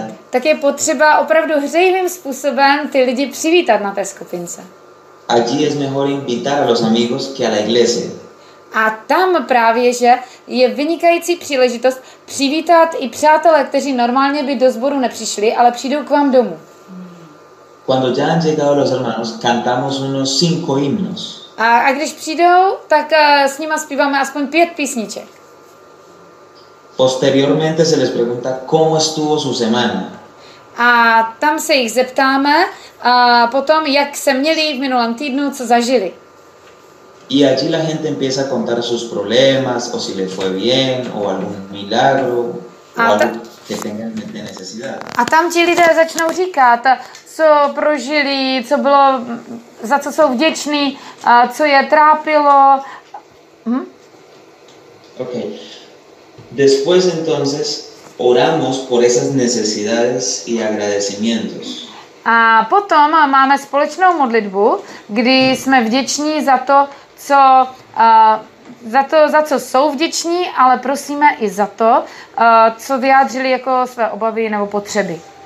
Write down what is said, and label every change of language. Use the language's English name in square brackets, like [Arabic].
[Czech] Tak je potřeba opravdu hřejivým způsobem ty lidi přivítat na té skupince. [Spanish] Allí es mejor invitar a los amigos que a la iglesia. [Czech] A tam právě, že je vynikající příležitost přivítat i přátelé, kteří normálně by do sboru nepřišli, ale přijdou k vám domů. [Spanish] Cuando ya han llegado los hermanos, cantamos unos 5 himnos. [Czech] A když přijdou, tak s nima zpíváme aspoň 5 písniček. [Spanish] Posteriormente se les pregunta cómo estuvo su semana. [Czech] A tam se jich zeptáme a potom, jak se měli v minulém týdnu, co zažili. [Spanish] Y allí la gente empieza a contar sus problemas, o si le fue bien, o algún milagro, algo que tengan de necesidad. [Czech] A tam ti lidé začnou říkat, co prožili, co bylo, za co jsou vděční, co je trápilo. Ok. [Spanish] Después entonces oramos por esas necesidades y agradecimientos. [Czech] A potom máme společnou modlitbu, kdy jsme vděční za to, co za to, za co jsou vděční, ale prosíme i za to, co vyjádřili jako své obavy nebo potřeby.